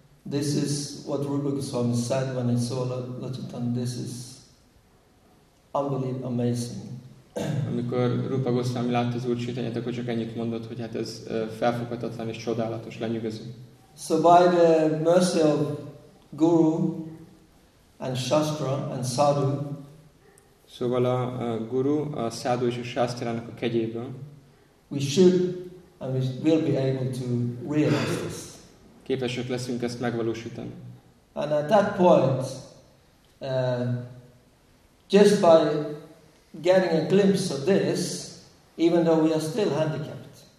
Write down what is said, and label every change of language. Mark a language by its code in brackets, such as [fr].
[en] This is what Rupa Goswami said when he saw Lord Chaitanya. This is unbelievable, amazing. [hu] Amikor Rupa Goswami látta az Úr Chaitanyát, akkor csak ennyit mondott, hogy hát ez felfoghatatlan és csodálatos, lenyűgöző. [en] So by the mercy of Guru and Shastra and Sadhu. [hu] Szóval a Guru, a Sadhu és a Shastrának a kegyéből. [en] We should and we will be able to realize this. [hu] Képesek leszünk ezt megvalósítani. [en] And at that point, just by getting a glimpse of this, even though we are still handicapped.